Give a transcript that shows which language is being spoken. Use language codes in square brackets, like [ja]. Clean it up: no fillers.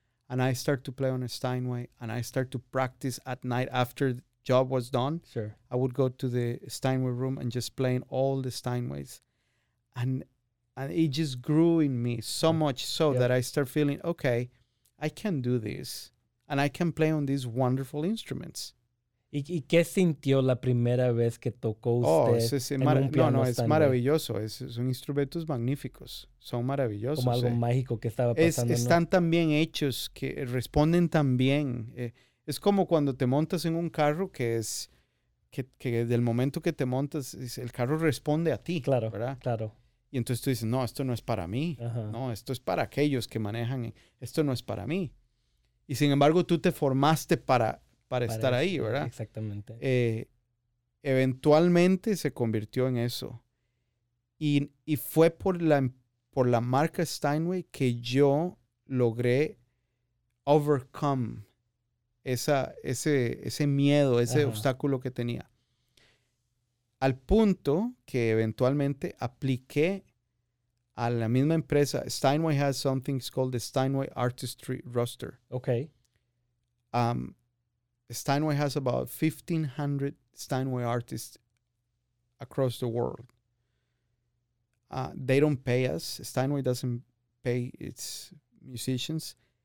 [en] And I start to play on a Steinway, and I start to practice at night after the job was done. Sure. I would go to the Steinway room and just playing all the Steinways. And it just grew in me so much so that I start feeling, okay, I can do this, and I can play on these wonderful instruments. [es] ¿Y qué sintió la primera vez que tocó usted en un piano? No, es Steinway. Maravilloso. Son instrumentos magníficos. Son maravillosos. Como algo mágico que estaba pasando. Están tan bien hechos que responden tan bien. Es como cuando te montas en un carro que del momento que te montas, el carro responde a ti. Claro, ¿verdad? Claro. Y entonces tú dices, no, esto no es para mí. Ajá. No, esto es para aquellos que manejan. Esto no es para mí. Y sin embargo, tú te formaste para estar ahí, ¿verdad? Exactamente. Eventualmente se convirtió en eso. Y fue por la marca Steinway que yo logré overcome ese miedo, ese obstáculo que tenía. Al punto que eventualmente apliqué a la misma empresa. [en] Steinway has something called the Steinway Artistry Roster. Okay. Steinway has about 1,500 Steinway artists across the world. They don't pay us. Steinway doesn't pay its musicians.